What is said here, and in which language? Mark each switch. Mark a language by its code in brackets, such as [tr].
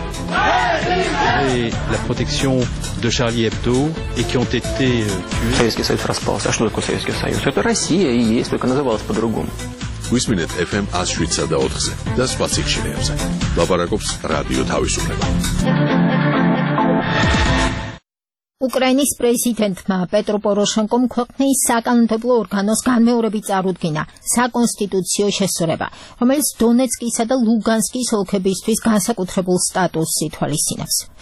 [fr] La protection de Charlie Hebdo et qui ont été tués. [ru] Советский Союз распался. А что такое Советский Союз? Это Россия и есть, только называлась по-другому. [ka] Усминет FM 107.4-ზე და სხვა სიხშირეებზე. ლაპარაკობს რადიო თავისუფლება. უკრაინის პრეზიდენტმა პეტრო პოროშენკომ ქვეყნის საკანონმდებლო ორგანოს განმეორები წარუდგინა საკონსტიტუციო შესრულება, რომელიც დონეცკისა და ლუგანსკის ოლქებისთვის განსაკუთრებულ სტატუსს ითვალისწინებს.